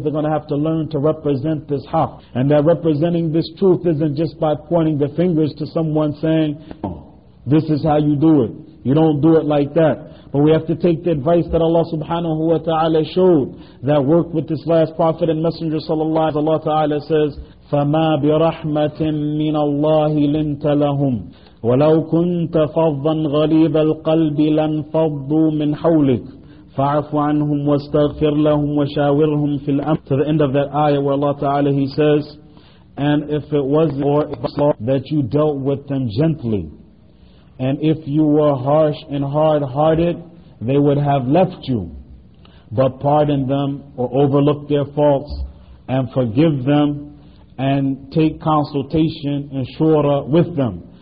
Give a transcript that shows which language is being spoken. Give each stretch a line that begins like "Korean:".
English: They're going to have to learn to represent this haq. And that representing this truth isn't just by pointing the fingers to someone saying, this is how you do it. You don't do it like that. But we have to take the advice that Allah subhanahu wa ta'ala showed, that worked with this last prophet and messenger sallallahu alayhi wa sallam. Allah ta'ala says,
Arabic: فَمَا بِرَحْمَةٍ مِّنَ اللَّهِ لِنْتَ لَهُمْ وَلَوْ كُنْتَ فَضًّا غَلِيظَ الْقَلْبِ لَنْ فَضُّوا مِنْ حَوْلِكَ فَعَفُ عَنْهُمْ وَاسْتَغْفِرْ لَهُمْ وَشَاوِرْهُمْ فِي الْأَمْرِ.
English: To the end of that ayah where Allah Ta'ala, He says, and if it wasn't for Allah that you dealt with them gently, and if you were harsh and hard-hearted, they would have left you. but pardon them or overlook their faults and forgive them and take consultation and shura with them.